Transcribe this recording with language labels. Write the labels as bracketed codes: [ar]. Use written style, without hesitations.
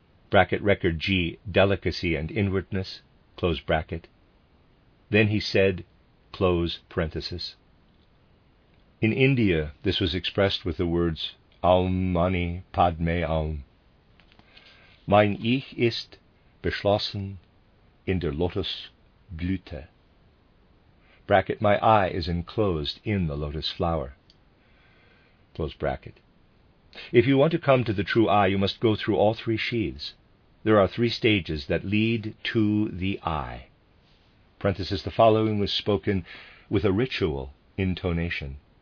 [en] Bracket, record G, delicacy and inwardness, close bracket. Then he said, close parenthesis. In India, this was expressed with the words, [sa] Aum Mani Padme Aum. [de] Mein Ich ist beschlossen in der Lotus Blüte. [en] Bracket, my eye is enclosed in the lotus flower. Close bracket. If you want to come to the true eye, you must go through all three sheaths. There are three stages that lead to the I. Parenthesis, the following was spoken with a ritual intonation.